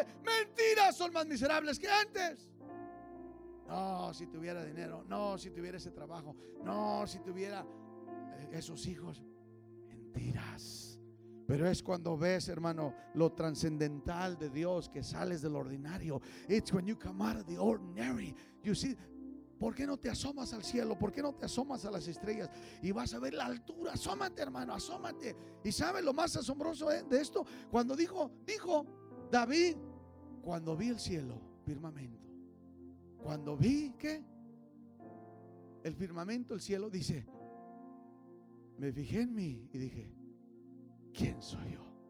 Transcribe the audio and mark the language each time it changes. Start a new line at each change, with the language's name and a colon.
Spanish: Mentiras. Son más miserables que antes. No, si tuviera dinero. No, si tuviera ese trabajo. No, si tuviera esos hijos. Mentiras. Pero es cuando ves, hermano, lo trascendental de Dios, que sales del ordinario.
English: It's when you come out of the ordinary. You see,
Spanish: ¿por qué no te asomas al cielo? ¿Por qué no te asomas a las estrellas? Y vas a ver la altura. Asómate, hermano, asómate. ¿Y sabes lo más asombroso de esto? Cuando dijo David, cuando vi el cielo, firmamento. Cuando vi, ¿qué? El firmamento, el cielo, dice, me fijé en mí y dije, ¿quién soy yo?